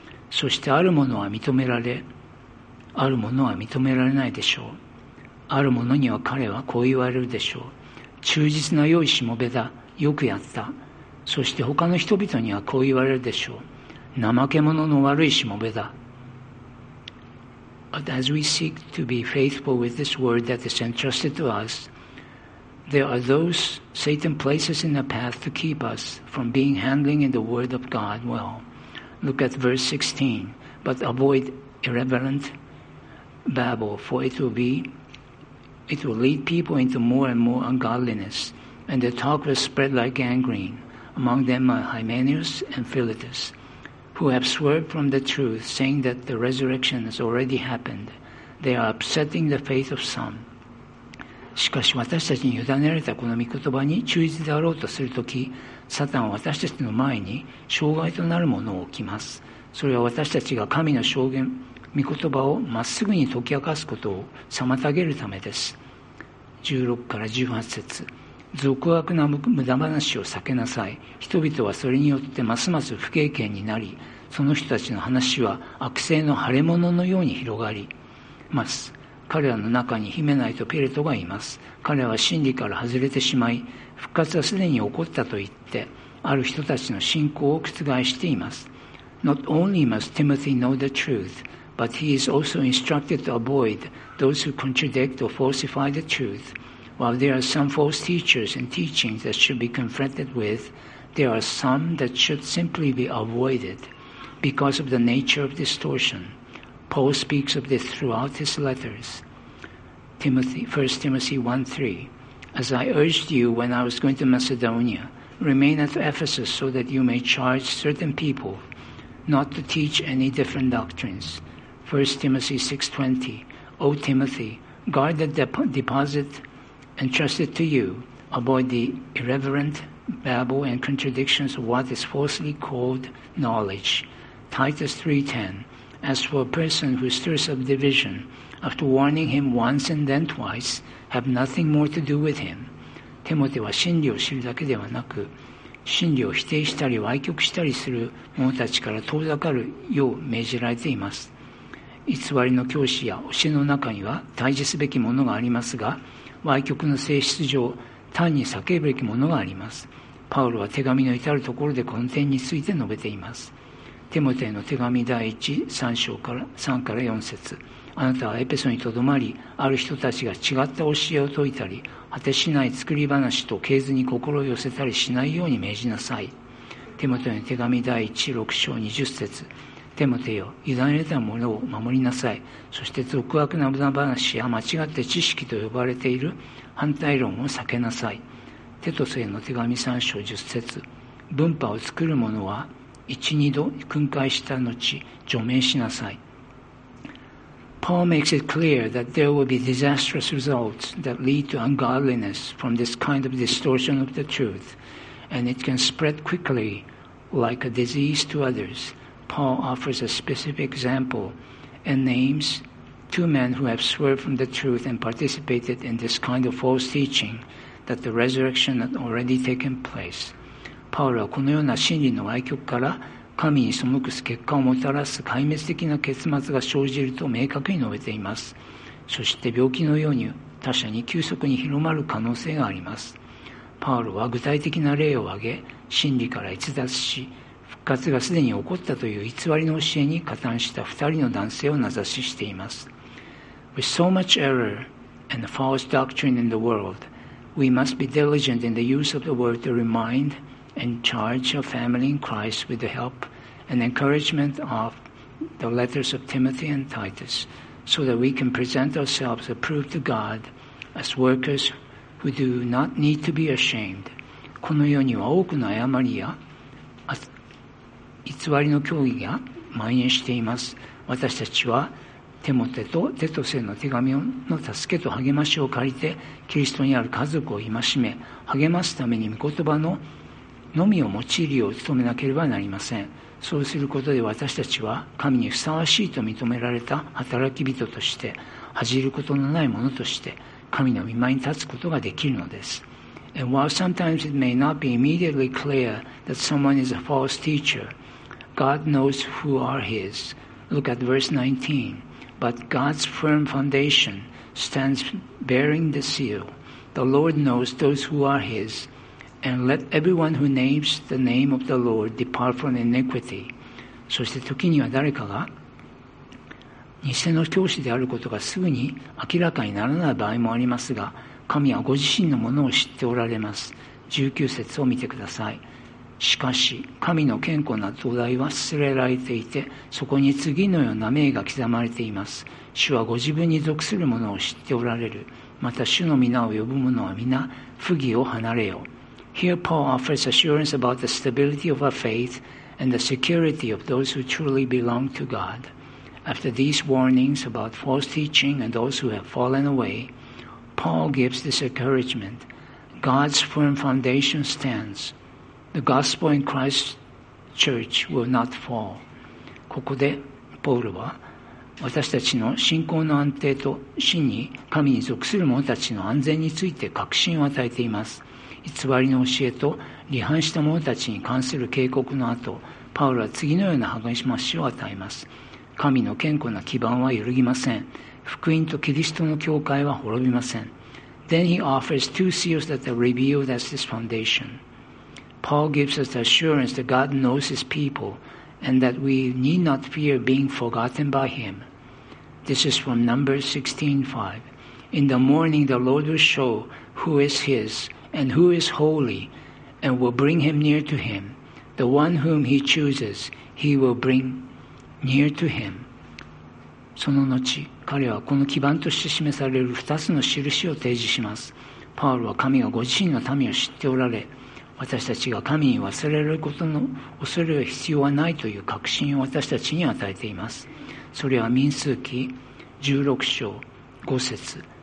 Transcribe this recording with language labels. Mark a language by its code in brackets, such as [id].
[ja] そしてあるものは認められ、あるものは認められないでしょう。あるものには彼はこう言われるでしょう。忠実な良いしもべだ。よくやった。そして他の人々にはこう言われるでしょう。怠け者の悪いしもべだ。 [en] But as we seek to be faithful with this word that is entrusted to us, there are those Satan places in the path to keep us from being handling in the word of God well. Look at verse 16. But avoid irreverent babble, for it will lead people into more and more ungodliness, and their talk will spread like gangrene. Among them are Hymenaeus and Philetus, who have swerved from the truth, saying that the resurrection has already happened. They are upsetting the faith of some. [ja] しかし私たちに委ねられたこの御言葉に忠実であろうとするとき、サタンは私たちの前に障害となるものを置きます。それは私たちが神の証言、御言葉をまっすぐに解き明かすことを妨げるためです。 16から18節。俗悪な無駄話を避けなさい。人々はそれによってますます不敬虔になり、その人たちの話は悪性の腫れ物のように広がります。彼らの中にヒメナイとペレトがいます。彼は真理から外れてしまい、復活はすでに起こったと言って、ある人たちの信仰を覆しています。 [en] Not only must Timothy know the truth, but he is also instructed to avoid those who contradict or falsify the truth. While there are some false teachers and teachings that should be confronted with, there are some that should simply be avoided because of the nature of distortion. Paul speaks of this throughout his letters. 1 Timothy 1:3 As I urged you when I was going to Macedonia, remain at Ephesus so that you may charge certain people not to teach any different doctrines. 1 Timothy 6:20 O Timothy, guard the deposit... entrusted to you, avoid the irreverent babble and contradictions of what is falsely called knowledge. Titus 3:10 As for a person who stirs up division, after warning him once and then twice, have nothing more to do with him. [ja] テモテは真理を知るだけではなく、真理を否定したり歪曲したりする者たちから遠ざかるよう命じられています。偽りの教師や教えの中には対峙すべきものがありますが、歪曲の性質上単に避けるべきものがあります。パウロは手紙の至るところでこの点について述べています。テモテへの手紙第1、3から4節。あなたはエペソにとどまり、ある人たちが違った教えを説いたり、果てしない作り話と系図に心を寄せたりしないように命じなさい。テモテへの手紙第1、6章20節。テモテよ、委ねたものを守りなさい。そして俗悪な無駄話や間違って知識と呼ばれている反対論を避けなさい。テトスへの手紙3章10節。分派を作る者は1、2度訓戒した後除名しなさい。 [en] Paul makes it clear that there will be disastrous results that lead to ungodliness from this kind of distortion of the truth, and it can spread quickly like a disease to others. Paul offers a specific example and names two men who have swerved from the truth and participated in this kind of false teaching that the resurrection had already taken place. [ja] パウロはこのような真理の歪曲から神に背く結果をもたらす壊滅的な結末が生じると明確に述べています。そして病気のように他者に急速に広まる可能性があります。パウロは具体的な例を挙げ、真理から逸脱し復活がすでに起こったという偽りの教えに加担した2人の男性を名指ししています。 [en] With so much error and false doctrine in the world, we must be diligent in the use of the word to remindand charge your family in Christ with the help and encouragement of the letters of Timothy and Titus, so that we can present ourselves approved to God as workers who do not need to be ashamed. [ja] この世には多くの誤りや偽りの教義が蔓延しています。私たちはテモテとテトスへの手紙の助けと励ましを借りて、キリストにある家族を戒め、励ますために御言葉ののみを用いるよう努めなければなりません。そうすることで私たちは神にふさわしいと認められた働き人として、恥じることのないものとして神の御前に立つことができるのです。 [en] And while sometimes it may not be immediately clear that someone is a false teacher, God knows who are his. Look at verse 19. But God's firm foundation stands bearing the seal. The Lord knows those who are his. And let everyone who names the name of the Lord depart from iniquity. [ja] そして時には誰かが偽の教師であることがすぐに明らかにならない場合もありますが、神はご自身のものを知っておられます。 19節を見てください。しかし神の健康な土台は据えられていて、そこに次のような名が刻まれています。主はご自分に属するものを知っておられる。また主の皆を呼ぶ者は皆不義を離れよ。 [en] Here Paul offers assurance about the stability of our faith and the security of those who truly belong to God. After these warnings about false teaching and those who have fallen away, Paul gives this encouragement. God's firm foundation stands. The gospel in Christ's church will not fall. [ja] ここでポールは、私たちの信仰の安定と真に神に属する者たちの安全について確信を与えています。偽りの教えと離反した者たちに関する警告の後、パウロは次のような励ましを与えます。神の健康な基盤は揺るぎません。福音とキリストの教会は滅びません。 [en] Then he offers two seals that are revealed as his foundation. Paul gives us the assurance that God knows his people and that we need not fear being forgotten by him. This is from Numbers 16:5. In the morning the Lord will show who is hisand who is holy, and will bring him near to him. The one whom he chooses, he will bring near to him. [ja] その後、彼はこの基盤として示される二つの印を提示します。パウロは神がご自身の民を知っておられ、私たちが神に忘れることの恐れは必要はないという確信を私たちに与えています。それは民数記16章5節。